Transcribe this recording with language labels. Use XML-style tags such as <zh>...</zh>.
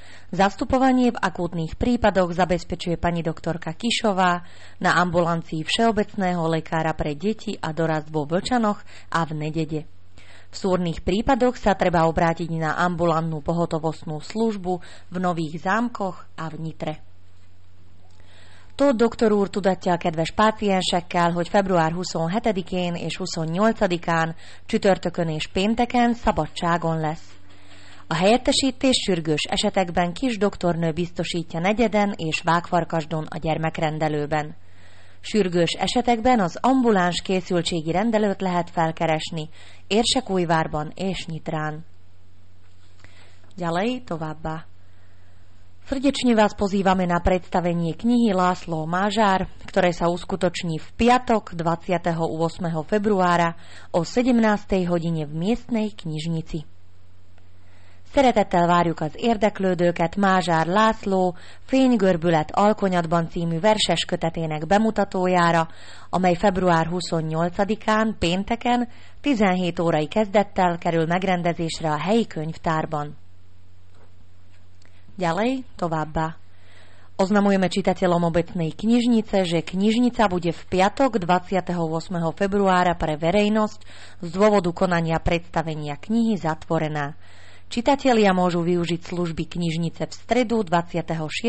<sk>Zastupovanie v akútnych prípadoch zabezpečuje pani doktorka Kišová na ambulancii všeobecného lekára pre deti a dorast vo Vlčanoch a v Nedede. V súrnych prípadoch sa treba obrátiť na ambulantnú pohotovostnú službu v Nových Zámkoch a v Nitre.</sk> <hu>To doktor úr tudatja a kedves páciensekkel, hogy február 27-én és 28-án, csütörtökön és pénteken szabadságon lesz. A helyettesítés sürgős esetekben kis doktornő biztosítja Negyeden és Vágfarkasdon a gyermekrendelőben. Sürgős esetekben az ambuláns készültségi rendelőt lehet felkeresni Érsekújvárban és Nyitrán.</hu> <sk>Ďalej továbbá. Srdečne vás pozývame na predstavenie knihy László Mažár, ktoré sa uskutoční v piatok 28. februára o 17. hodine v miestnej knižnici.</sk> <hu>Szeretettel várjuk az érdeklődőket Mázsár László Fénygörbület Alkonyatban című verses kötetének bemutatójára, amely február 28-án, pénteken, 17 órai kezdettel kerül megrendezésre a helyi könyvtárban.</hu> <sk>Ďalej továbbá. Oznamujeme čitateľom obecnej knižnice, že knižnica bude v piatok 28. februára pre verejnosť z dôvodu konania predstavenia knihy zatvorená. Čitatelia môžu využiť služby knižnice v stredu 26.</sk>